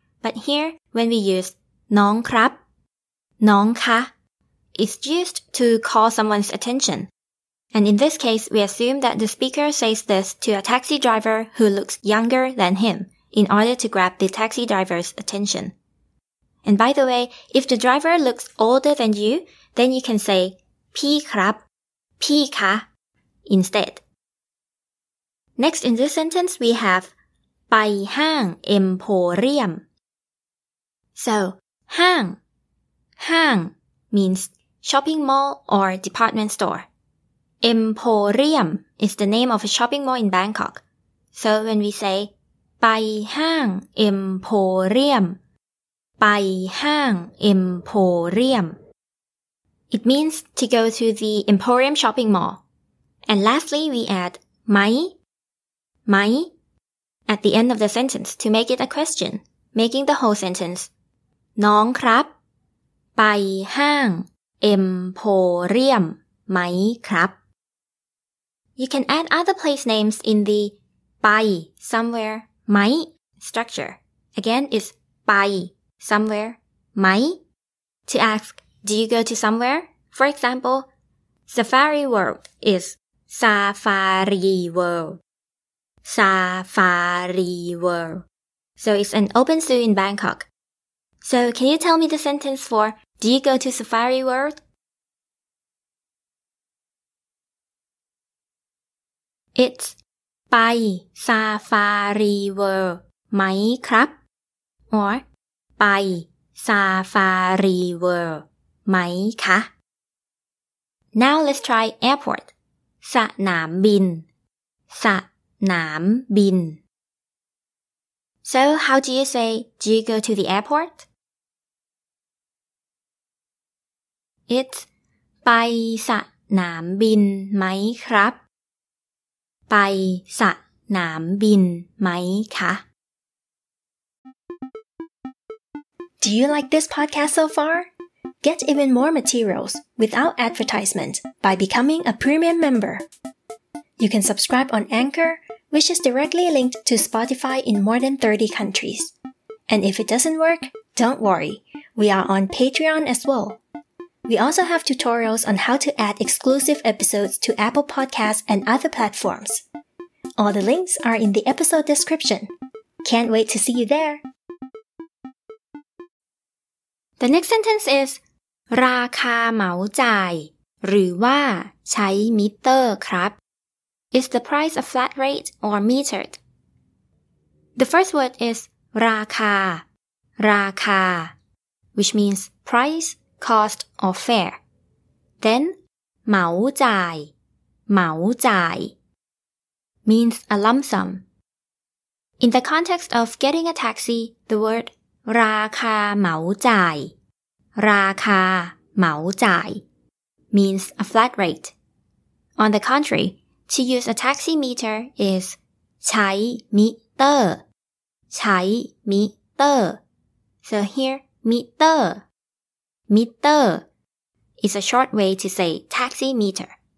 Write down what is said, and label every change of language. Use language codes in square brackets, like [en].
[en] But here, when we use [th] น้องครับ น้องคะ [en] it's used to call someone's attention. And in this case, we assume that the speaker says this to a taxi driver who looks younger than him in order to grab the taxi driver's attention. And by the way, if the driver looks older than you, then you can say, [th] พี่ครับพี่คะ instead. [en] Next in this sentence we have [th] ไปห้างเอ็มโพเรียม [en] So ห้างห้าง means shopping mall or department store. Emporium is the name of a shopping mall in Bangkok. So when we say [th] ไปห้างเอ็มโพเรียมไปห้างเอ็มโพเรียม [en] It means to go to the Emporium shopping mall. And lastly, we add ไหมไหม at the end of the sentence to make it a question, making the whole sentence [th] น้องครับไปห้างเอ็มโพเรียมไหมครับ [en] You can add other place names in the ไป somewhere ไหม structure. Again, it's ไป somewhere ไหม to ask,Do you go to somewhere? For example, Safari World is Safari World. Safari World. So it's an open zoo in Bangkok. So can you tell me the sentence for Do you go to Safari World? [th] It's ไป Safari World ไหมครับ? Or ไป Safari World. ไหมคะ [en] Now let's try airport. สนามบินสนามบิน So how do you say do you go to the airport? [th] It's ไปสนามบินไหมครับไปสนามบินไหมคะ [en] Do you like this podcast so far? Get even more materials without advertisement by becoming a premium member. You can subscribe on Anchor, which is directly linked to Spotify in more than 30 countries. And if it doesn't work, don't worry. We are on Patreon as well. We also have tutorials on how to add exclusive episodes to Apple Podcasts and other platforms. All the links are in the episode description. Can't wait to see you there! The next sentence is [th] ราคาเหมาจ่ายหรือว่าใช้มิเตอร์ครับ [en] Is the price a flat rate or metered? The first word is ราคาราคา which means price, cost or fare. Then เหมาจ่ายเหมาจ่าย means a lump sum. In the context of getting a taxi, the word [th] ราคาเหมาจ่ายราคาเหมาจ่าย [en] means a flat rate. On the contrary, to use a taxi meter is [th] ใช้มิเตอร์ใช้มิเตอร์ [en] So here, มิเตอร์ is a short way to say taxi meter.